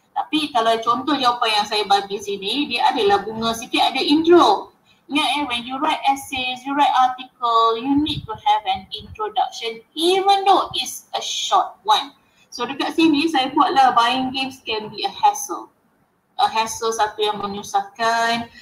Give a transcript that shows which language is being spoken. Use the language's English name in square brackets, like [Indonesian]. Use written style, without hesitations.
[Malay] Tapi kalau contoh jawapan yang saya bagi sini, dia adalah bunga sikit, ada intro. Ingat eh, [English] when you write essays, you write article, you need to have an introduction even though it's a short one. So [Malay] dekat sini saya buatlah [English] buying games can be a hassle. A hassle [Malay] satu yang menyusahkan.